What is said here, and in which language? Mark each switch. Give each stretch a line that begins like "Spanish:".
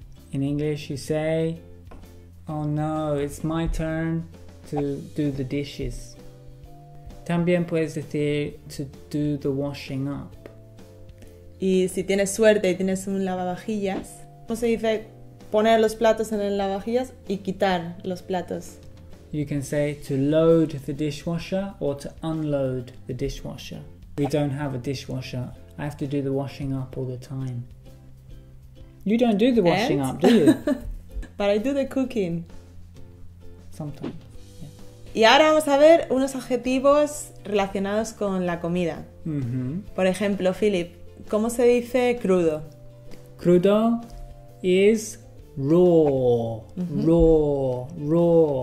English: In English you say, oh no, it's my turn to do the dishes.
Spanish: También puedes decir
English: to do the washing up.
Spanish: Y si tienes suerte y tienes un lavavajillas, ¿cómo se dice poner los platos en el lavavajillas y quitar los platos?
English: You can say to load the dishwasher or to unload the dishwasher. We don't have a dishwasher. I have to do the washing up all the time. You don't do the washing up, do you? But I do the cooking. Sometimes.
Spanish: Y ahora vamos a ver unos adjetivos relacionados con la comida. Mm-hmm. Por ejemplo, Philip, ¿cómo se dice crudo?
English: Crudo is raw, raw, raw.